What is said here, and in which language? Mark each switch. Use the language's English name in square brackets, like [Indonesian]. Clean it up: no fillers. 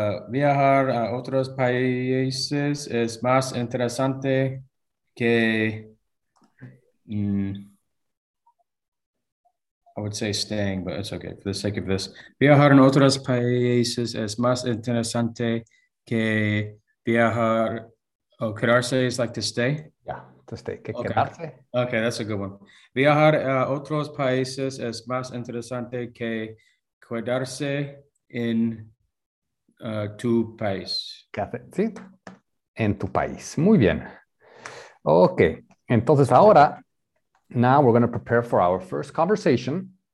[Spanish] Viajar a otros países es más interesante que... [English] I would say staying, but it's okay for the sake of this. [Spanish] Viajar en otros países es más interesante que viajar. [English] Oh, quedarse is like to stay? Yeah, to stay. Que okay. Quedarse. Okay, that's a good one. [Spanish] Viajar a otros países es más interesante que quedarse en tu país. Sí, en tu país. Muy bien. [English] Okay, [Spanish] entonces ahora, [English] now we're going to prepare for our first conversation.